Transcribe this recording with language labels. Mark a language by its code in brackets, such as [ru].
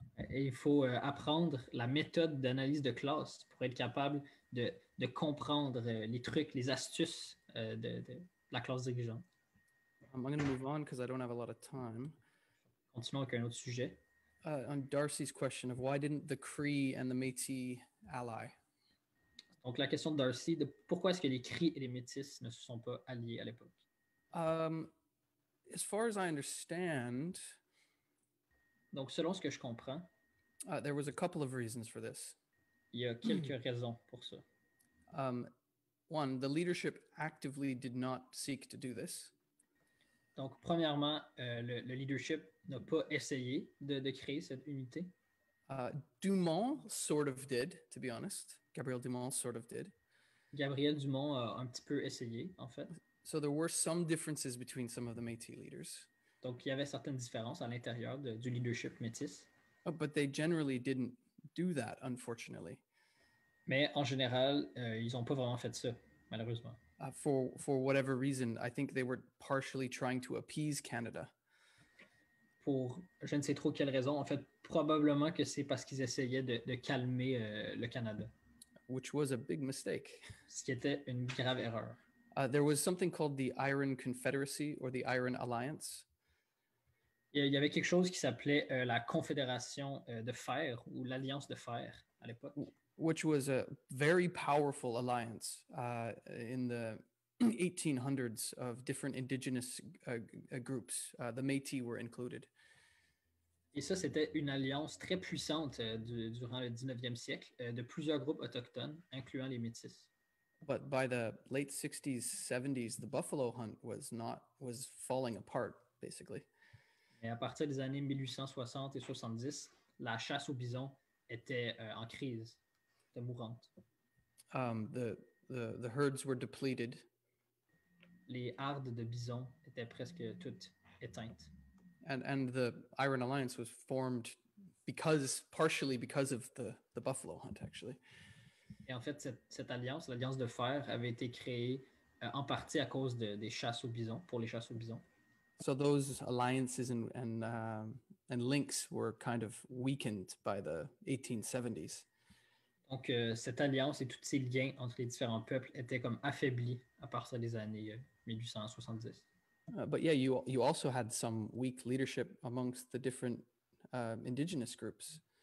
[fr] Et il faut apprendre la méthode d'analyse de classe pour être capable de comprendre les trucs, les astuces de la classe dirigeante. [en] I'm going to move on because I don't have a lot of time. [fr] Continuons avec un autre sujet. [en] on Darcy's question of why didn't the Cree and the Métis ally? [fr] Donc la question de Darcy, de pourquoi est-ce que les Cree et les Métis ne se sont pas alliés à l'époque? [en] As far as I understand, [fr] donc selon ce que je comprends, [en] there was a couple of reasons for this. [fr] Il y a quelques raisons pour ça. [en] One, the leadership actively did not seek to do this. [fr] Donc premièrement, le leadership n'a pas essayé de créer cette unité. [en] Dumont sort of did, to be honest. Gabriel Dumont sort of did. [fr] Gabriel Dumont a un petit peu essayé, en fait. [en] So there were some differences between some of the Métis leaders. [fr] Donc il y avait certaines différences à l'intérieur du leadership métis. [en] Oh, but they generally didn't do that, unfortunately. [fr] Mais en général, ils n'ont pas vraiment fait ça, malheureusement. [en] For whatever reason, I think they were partially trying to appease Canada. [fr] Pour je ne sais trop quelle raison, en fait, probablement que c'est parce qu'ils essayaient de calmer le Canada. [en] Which was a big mistake. [fr] Ce qui était une grave erreur. [en] There was something called the Iron Confederacy or the Iron Alliance. [fr] Il y avait quelque chose qui s'appelait la Confédération de Fer ou l'Alliance de Fer à l'époque. [en] Which was a very powerful alliance in the 1800s of different indigenous groups. The Métis were included. [fr] Et ça, c'était une alliance très puissante durant le 19e siècle de plusieurs groupes autochtones, incluant les Métis. [en] But by the late 60s, 70s, the buffalo hunt was falling apart, basically. [fr] Et à partir des années 1860 et 70, la chasse aux bisons était en crise, était mourante. [en] The herds were depleted. [fr] Les hardes de bisons étaient presque toutes éteintes. [en] And the Iron Alliance was formed partially because of the buffalo hunt, actually. [fr] Et en fait, cette alliance, l'Alliance de Fer, avait été créée en partie à cause des chasses aux bisons, pour les chasses aux bisons. [en] So those alliances and links were kind of weakened by the 1870s. [fr] Donc cette alliance et tous ces liens entre les différents peuples étaient comme affaiblis à partir des années 1870. [en] But yeah, you also had some weak leadership amongst the different indigenous groups.